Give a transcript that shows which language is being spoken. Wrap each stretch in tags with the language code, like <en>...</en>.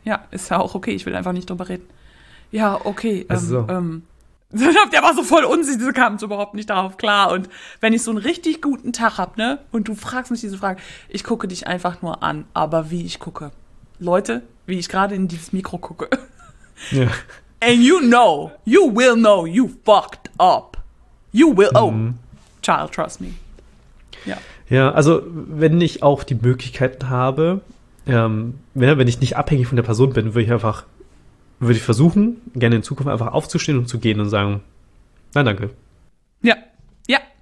<de>Ja, ist ja auch okay, ich will einfach nicht drüber reden. Ja, okay, der war so voll unsicher, sie kam so überhaupt nicht darauf klar. Und wenn ich so einen richtig guten Tag hab, ne, und du fragst mich diese Frage, ich gucke dich einfach nur an, aber wie ich gucke. Leute, wie ich gerade in dieses Mikro gucke. Ja.</de> <en>And you know, you will know, you fucked up. You will, child, trust me. Ja.</en> <de>Ja, also, wenn ich auch die Möglichkeiten habe, wenn ich nicht abhängig von der Person bin, würde ich versuchen, gerne in Zukunft einfach aufzustehen und zu gehen und sagen, nein, danke. Ja, ja.</de>